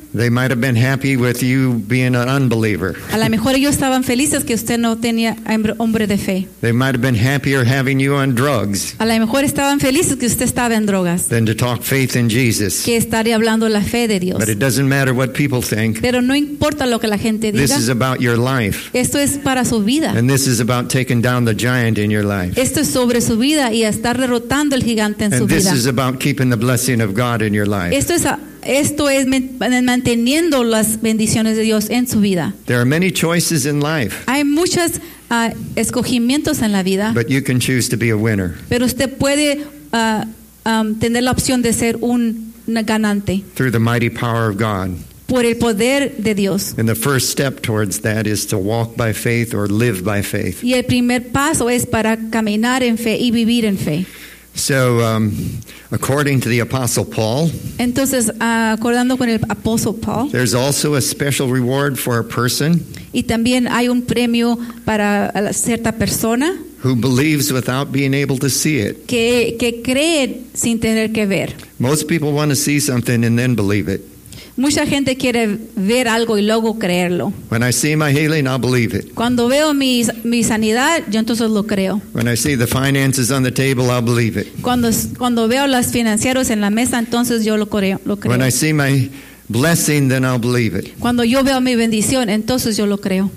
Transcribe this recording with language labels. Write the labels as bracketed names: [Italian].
[English] They might have been happy with you being an unbeliever. [Spanish] A lo mejor ellos estaban felices que usted no tenía hombre de fe. [English] They might have been happier having you on drugs. [Spanish] A lo mejor estaban felices que usted estaba en drogas. [English] Than to talk faith in Jesus. [Spanish] Que estaría hablando la fe de Dios. [English] But it doesn't matter what people think. [Spanish] Pero no importa lo que la gente diga. [English] This is about your life. [Spanish] Esto es para su vida. [English] And this is about taking down the giant in your life. [Spanish] Esto es sobre su vida y estar derrotando el gigante en [English] and [Spanish] su vida. [English] And this is about keeping the blessing of God in your life. [Spanish] Esto es manteniendo las bendiciones de Dios en su vida. [English] There are many choices in life. [Spanish] Hay muchos escogimientos en la vida. [English] But you can choose to be a winner. [Spanish] Pero usted puede tener la opción de ser un ganante. [English] Through the mighty power of God. [Spanish] Por el poder de Dios. [English] And the first step towards that is to walk by faith or live by faith. [Spanish] Y el primer paso es para caminar en fe y vivir en fe. [English] So, according to the Apostle Paul, [Spanish] entonces, acordando con el Apostle Paul, [English] there's also a special reward for a person, [Spanish] y también hay un premio para cierta persona, [English] who believes without being able to see it. [Spanish] Que cree sin tener que ver. [English] Most people want to see something and then believe it. [Spanish] Mucha gente quiere ver algo y luego creerlo. [English] When I see my healing, I'll believe it. [Spanish] Cuando veo mi sanidad, yo entonces lo creo. [English] When I see the finances on the table, I'll believe it. [Spanish] Cuando veo los financieros en la mesa, entonces yo lo creo. [English] When I see my blessing, then I'll believe it. [Spanish] Cuando yo veo mi bendición, entonces yo lo creo.